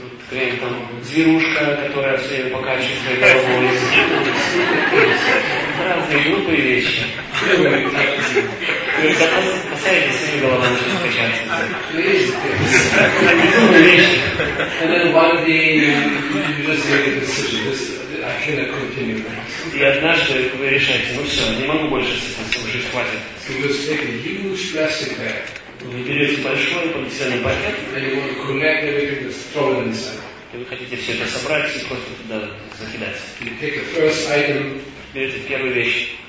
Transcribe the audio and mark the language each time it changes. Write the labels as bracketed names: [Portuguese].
[Russian] Какая-нибудь там зверушка, которая все время покачивает своей головой. Разные глупые вещи. Поставите свою голову, начнет качаться. Безумные вещи. [English] And then one day you just make a decision. I cannot continue. [Russian] И однажды вы решаете, ну все, не могу больше с этим служить, хватит. Вы берете большой полиэтиленовый пакет, и вы хотите все это собрать и просто туда закидать. Берете первую вещь.